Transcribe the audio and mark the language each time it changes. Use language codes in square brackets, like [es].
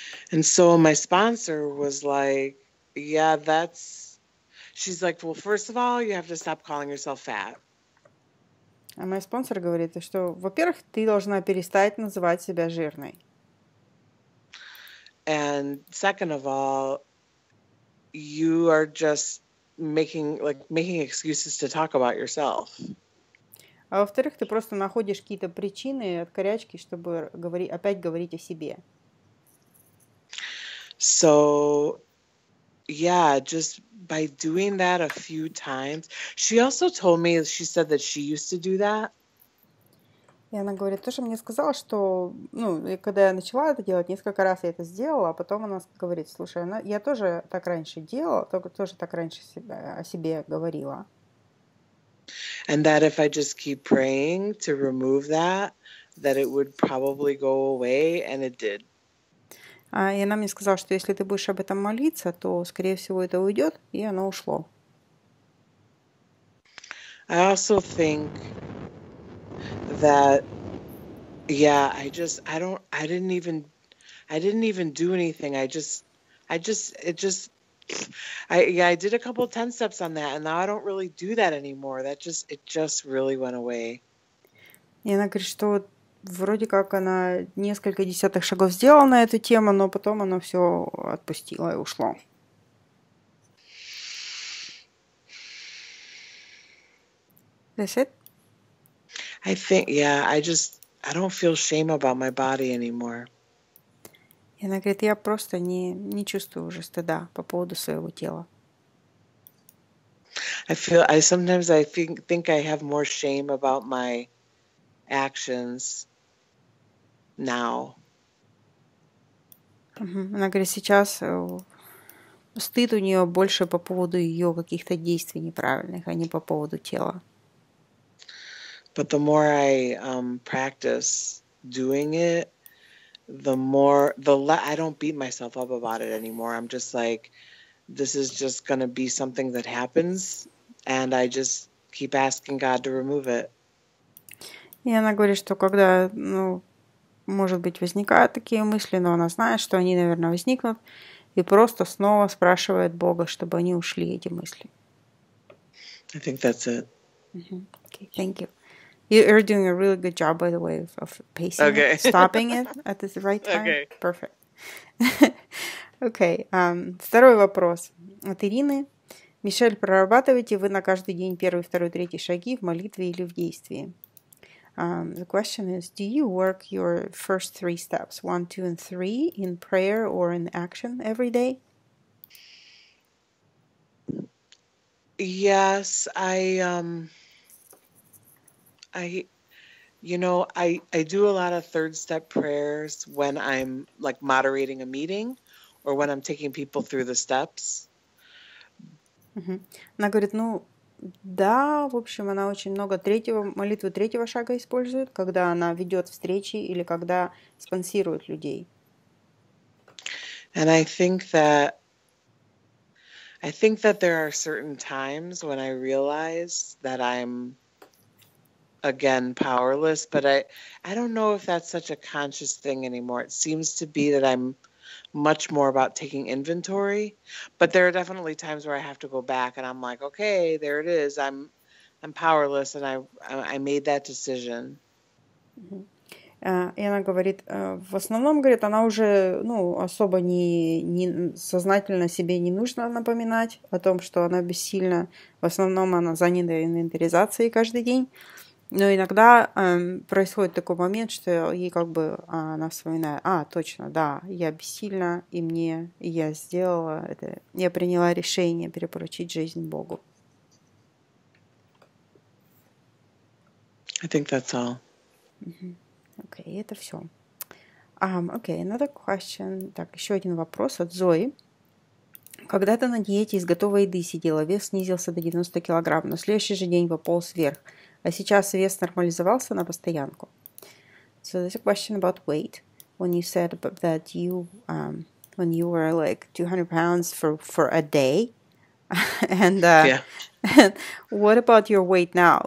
[en] And so my sponsor was like, yeah, that's. She's like, well, first of all, you have to stop calling yourself fat. [ru] А мой спонсор говорит, что, во-первых, ты должна перестать называть себя жирной. [en] And second of all, you are just making excuses to talk about yourself. [ru] А во-вторых, ты просто находишь какие-то причины, корячки, чтобы опять говорить о себе. [en] So, yeah, just by doing that a few times. She also told me, she said that she used to do that. [ru] И она говорит, тоже мне сказала, что, ну, когда я начала это делать, несколько раз я это сделала, а потом она говорит, слушай, ну, я тоже так раньше делала, тоже так раньше о себе говорила. [en] And that if I just keep praying to remove that, that it would probably go away, and it did. [ru] И она мне сказала, что если ты будешь об этом молиться, то, скорее всего, это уйдет, и оно ушло. [en] I also think that, yeah, I did a couple of 10 steps on that, and now I don't really do that anymore. That just, it just really went away. [ru] И она говорит, что вроде как она несколько десятых шагов сделала на эту тему, но потом она все отпустила и ушло. [en] That's it? I think, yeah, I don't feel shame about my body anymore. [ru] И она говорит, я просто не чувствую уже стыда по поводу своего тела. [en] I sometimes think I have more shame about my actions now. [ru] Она говорит, сейчас стыд у нее больше по поводу ее каких-то действий неправильных, а не по поводу тела. [en] But the more I practice doing it, the more, the less, I don't beat myself up about it anymore. I'm just like, this is just going to be something that happens. And I just keep asking God to remove it. [ru] И она говорит, что когда, ну, может быть, возникают такие мысли, но она знает, что они, наверное, возникнут, и просто снова спрашивает Бога, чтобы они ушли, эти мысли. [en] I think that's it. Okay, thank you. You're doing a really good job, by the way, of pacing okay. it, stopping it at the right time. Okay. Perfect. [ru] Okay, второй вопрос от Ирины. Мишель, прорабатываете вы на каждый день первый, второй, третий шаги в молитве или в действии? [en] The question is, do you work your first three steps, 1, 2, and 3, in prayer or in action every day? Yes, I do a lot of third step prayers when I'm like moderating a meeting or when I'm taking people through the steps. [ru] Она говорит, ну, да, в общем, она очень много третьего, молитву третьего шага использует, когда она ведет встречи или когда спонсирует людей. [en] And I think that there are certain times when I realize that I'm, again, powerless, but I don't know if that's such a conscious thing anymore. It seems to be that I'm much more about taking inventory, but there are definitely times where I have to go back and I'm like, okay, there it is. I'm powerless and I made that decision. [ru] И она говорит, в основном, говорит, она уже, ну, особо не сознательно себе не нужно напоминать о том, что она бессильна. В основном она занята инвентаризацией каждый день. Но иногда происходит такой момент, что ей как бы она вспоминает, а, точно, да, я бессильна, и мне, и я сделала это, я приняла решение перепоручить жизнь Богу. [en] I think that's all. [ru] Окей, это все. Окей, [en] another question. [ru] Так, еще один вопрос от Зои. Когда ты на диете из готовой еды сидела, вес снизился до 90 килограмм, но следующий же день пополз вверх. А сейчас вес нормализовался на постоянку. [en] So there's a question about weight. When you said that you, when you were like 200 pounds for a day, and what about your weight now?